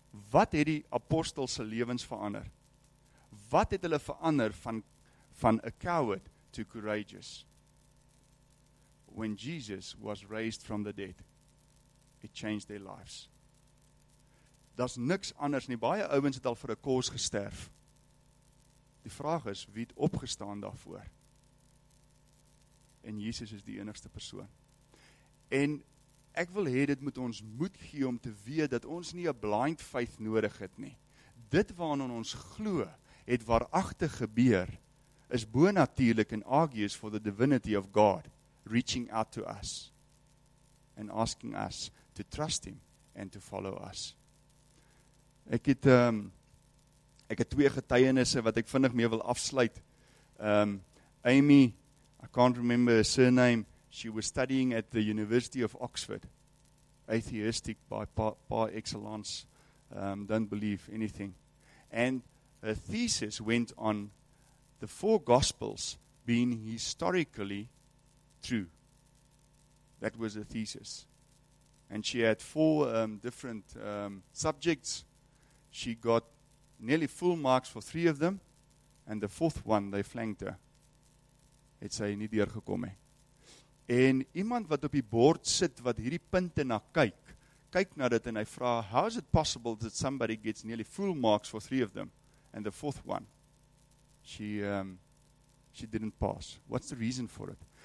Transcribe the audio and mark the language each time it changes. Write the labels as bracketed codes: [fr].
[af] Wat het die apostelse lewens verander? Wat het hulle verander van [en] a coward to courageous? When Jesus was raised from the dead, it changed their lives. [af] Daar's niks anders nie. Baie ouens het al vir 'n kos gesterf. Die vraag is, wie het opgestaan daarvoor? En Jesus is die enigste persoon. En ek wil hê dit moet ons moed gee om te weet dat ons nie 'n [en] blind faith [af] nodig het nie. Dit waaraan ons glo, het waaragtig gebeur, is bonatuurlik en [en] argues for the divinity of God reaching out to us and asking us to trust him and to follow us. [af] Ek het twee getuienisse wat ek vinnig mee wil afsluit. [en] Amy, I can't remember her surname, she was studying at the University of Oxford, atheistic by par excellence, don't believe anything. And her thesis went on the four gospels being historically true. That was her thesis. And she had four different subjects. She got nearly full marks for three of them, and the fourth one, they flanked her. [af] Het sy nie deurgekom nie. En iemand wat op die bord sit, wat hierdie punte na kyk, kyk na dit en hy vra, [en] how is it possible that somebody gets nearly full marks for three of them, and the fourth one, she didn't pass. What's the reason for it?